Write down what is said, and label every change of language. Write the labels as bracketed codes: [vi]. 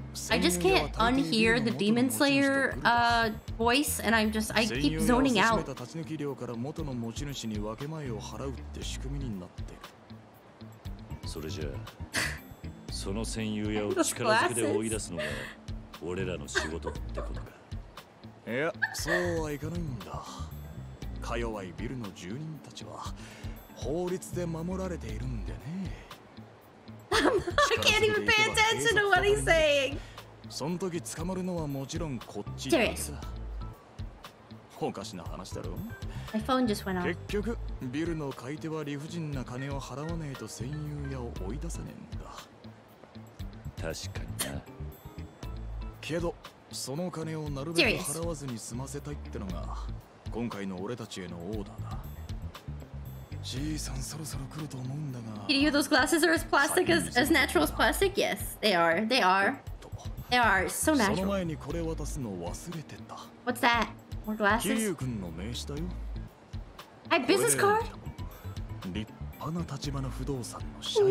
[en] I just can't unhear the Demon Slayer voice, and I keep zoning out. [ja] それじゃ、その占有屋を力づけで追い出すのが俺らの仕事ってことか。いや、そうはいかないんだ。か弱いビルの住人たちは法律で守られているんでね。 [en] I can't even pay attention to what he's saying. [ja] その時捕まるのはもちろんこっちです。おかしな話だろ。 [en] My phone just went off. [ja] 結局ビルの買い手は理不尽な金を払わねえと占有屋を追い出せねえんだ。確かにな。けどその金をなるべく払わずに済ませたいってのが今回の俺たちへのオーダーだ。じいさんそろそろ来ると思うんだが。 [en] Kiriyu, those glasses are as plastic as natural as plastic? Yes, they are. They are. They are so natural. [ja] その前にこれ渡すの忘れてた。 [en] What's that? More glasses? [ja] キリュー君の名刺だよ。 [en] A business card? [ja] 立派な立場の不動産の社員。